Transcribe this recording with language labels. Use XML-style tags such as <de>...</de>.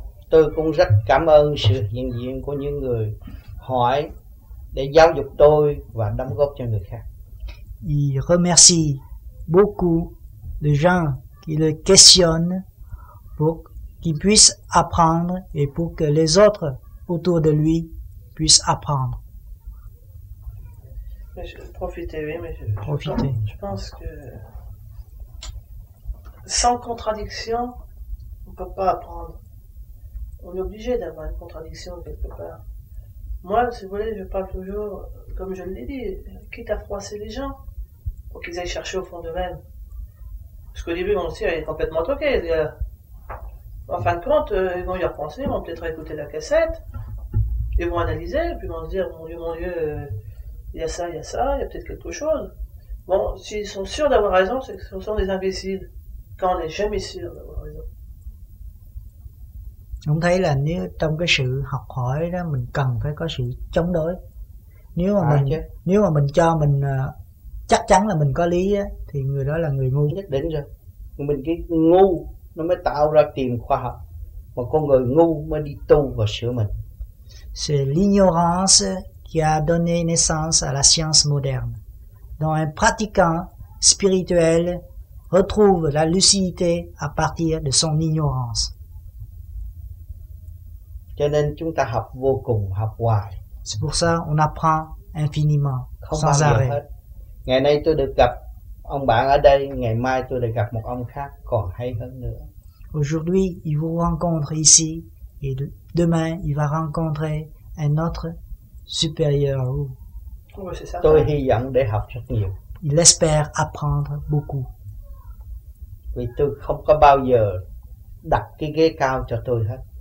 <vi>Tôi cũng rất cảm ơn sự hiện diện của những người hỏi để giáo dục tôi và đóng góp cho người khác.</vi> <fr>Il remercie beaucoup les gens qui le questionnent pour qu'il puisse apprendre et pour que les autres autour de lui puissent apprendre. Profitez. Je pense que sans contradiction, on ne peut pas apprendre. On est obligé d'avoir une contradiction quelque part. Moi, si vous voulez, je parle toujours, comme je l'ai dit, quitte à froisser les gens, pour qu'ils aillent chercher au fond d'eux-mêmes. Parce qu'au début, on le sait, elle est complètement troquée. En fin de compte, ils vont y repenser, ils vont peut-être écouter la cassette, ils vont analyser, puis ils vont se dire, mon Dieu, il y a ça, il y a peut-être quelque chose. Bon, s'ils sont sûrs d'avoir raison, c'est que ce sont des imbéciles, quand on n'est jamais sûr d'avoir raison.</fr> <vi>Ông thấy là nếu trong cái sự học hỏi đó mình cần phải có sự chống đối. Nếu mà mình cho mình chắc chắn là mình có lý á, thì người đó là người ngu. Nhất định rồi. Mình cái ngu nó mới tạo ra tiền khoa học. Mà con người ngu mới đi tu và sửa mình.</vi> <fr>C'est l'ignorance qui a donné naissance à la science moderne. Dont un pratiquant spirituel retrouve la lucidité à partir de son ignorance.</fr> <vi>Cho nên chúng ta học vô cùng, học hoài.</vi> <fr>C'est pour ça on apprend infiniment,</fr> <vi>không</vi> <fr>sans arrêt.</fr> <vi>Hết. Ngày nay tôi được gặp ông bạn ở đây, ngày mai tôi lại gặp một ông khác còn hay hơn nữa.</vi> <fr>Aujourd'hui, il vous rencontre ici et demain, il va rencontrer un autre supérieur à vous.</fr> <vi>Tôi hy vọng để học rất nhiều.</vi> <fr>Il espère apprendre beaucoup.</fr> <vi>Vì tôi không có bao giờ đặt cái ghế cao cho tôi hết.</vi>